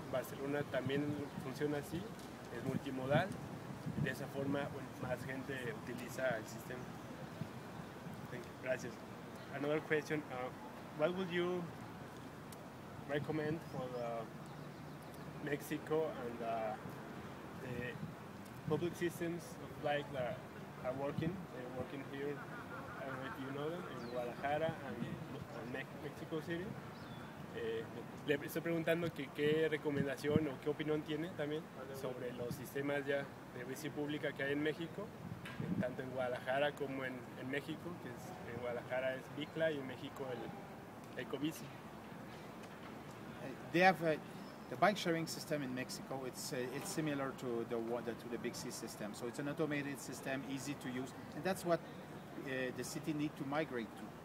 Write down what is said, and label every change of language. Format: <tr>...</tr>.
<es>Barcelona también funciona así, es multimodal. De esa forma, bueno, más gente utiliza el sistema. Gracias.</es> <en>Another question, what would you recommend for the Mexico and the public systems of bike that are working? They're working here, I don't know if you know them, in Guadalajara and Mexico City.</en> <es>Le estoy preguntando que qué recomendación o qué opinión tiene también sobre los sistemas ya de bici pública que hay en México, tanto en Guadalajara como en México, que es, en Guadalajara es Bicla y en México el Ecobici.</es> <en>They have the bike sharing system in Mexico. It's similar to the Bixi system. So it's an automated system, easy to use, and that's what the city need to migrate to.</en>